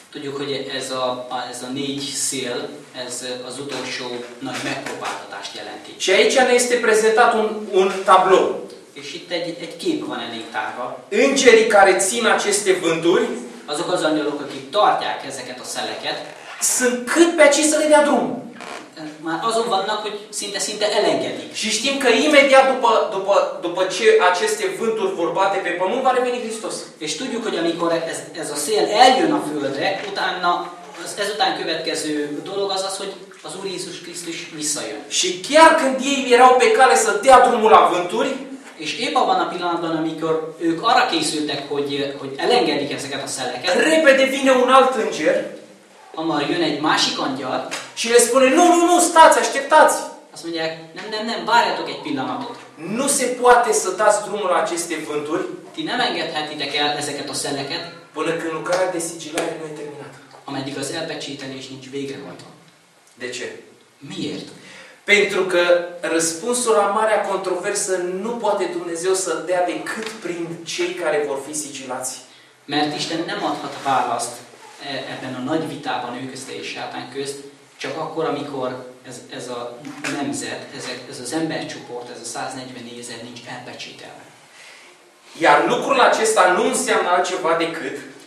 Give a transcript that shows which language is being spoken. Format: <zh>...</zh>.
<hu>Tudjuk, hogy ez a négy szél, ez az utolsó nagy megpróbáltatást jelenti.</hu> <ro>Și aici ne este prezentat un tablou.</ro> <hu>És itt egy kép van elégtárva.</hu> <ro>Îngerii care țin aceste vânturi,</ro> <hu>azok az angyalok, akik tartják ezeket a szeleket,</hu> <ro>sunt cât pe aici să le dea drum.</ro> <hu>Már azon vannak, hogy szinte elengedik.</hu> <ro>Și știm că imediat după ce aceste vânturi vor bate pe pământ, va reveni Hristos.</ro> <hu>És tudjuk, hogy amikor ez a szél eljön a Földre, utána ezután következő dolog az, hogy az Úr Jézus Krisztus visszajön.</hu> <ro>Și chiar când ei erau pe cale să dea drumul la vânturi,</ro> <hu>és épp abban a pillanatban, amikor ők arra készültek, hogy elengedik ezeket a szeleket,</hu> <ro>repede vine un alt înger,</ro> <hu>amar jön egy másik angyal,</hu> <ro>și le spune, nu, stați, așteptați!</ro> <hu>Azt mondják, nem, várjatok egy pillanatot!</hu> <ro>Nu se poate să dați drumul aceste vânturi,</ro> <hu>ti nem engedhetitek el ezeket a szeleket,</hu> <ro>până când lucrarea de sigilare nu e terminată.</ro> <hu>Ameddig az elpecsételés nincs végrehajtva.</hu> <ro>De ce?</ro> <hu>Miért?</hu> <ro>Pentru că răspunsul la marea controversă nu poate Dumnezeu să-l dea decât prin cei care vor fi sigilați.</ro> <hu>Mert Isten nem adhat választ ebben a nagy vitában ő közte és Sátán közt, csak akkor, amikor ez a nemzet, ez az embercsoport, ez a 144 000 nincs elpecsételve.</hu> <ro>Iar lucrul acesta nu înseamnă altceva decât</ro>